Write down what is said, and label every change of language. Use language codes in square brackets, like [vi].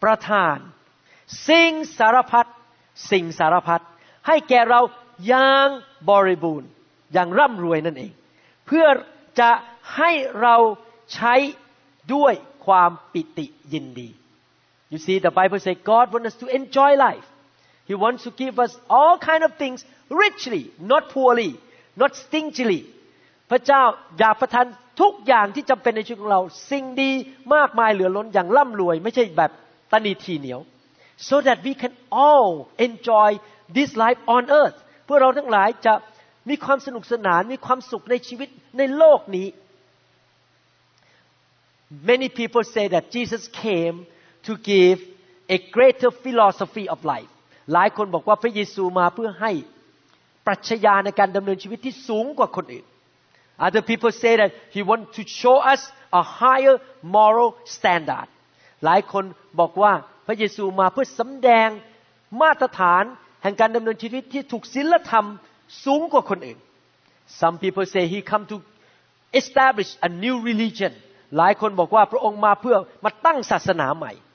[th] ทานสิ่งสารพัดสิ่งสารพัดให้แก่เราอย่างบริบูรณ์อย่างร่ำรวยนั่นเองเพื่อจะให้เราใช้ด้วยความปิติยินดี [en] You see the Bible says God wants us to enjoy life He wants to give us all kind of things richly not poorly not stingily [th] พระเจ้าอยากประทานทุกอย่างที่จำเป็นในชีวิตของเราสิ่งดีมากมายเหลือล้นอย่างร่ำรวยไม่ใช่แบบตันนีทีเหนียว [en] so that we can all enjoy this life on earth [th] เพื่อเราทั้งหลายจะมีความสนุกสนานมีความสุขในชีวิตในโลกนี้ [en] many people say that Jesus came to give a greater philosophy of life [th] หลายคนบอกว่าพระเยซูมาเพื่อให้ปรัชญาในการดำเนินชีวิตที่สูงกว่าคนอื่น [en] Other people say that he wants to show us a higher moral standard. [th] หลายคนบอกว่าพระเยซูมาเพื่อสำแดงมาตรฐานแห่งการดำเนินชีวิตที่ถูกศีลธรรมสูงกว่าคนอื่น [en] Some people say he come to establish a new religion [th] หลายคนบอกว่าพระองค์มาเพื่อมาตั้งศาสนาใหม่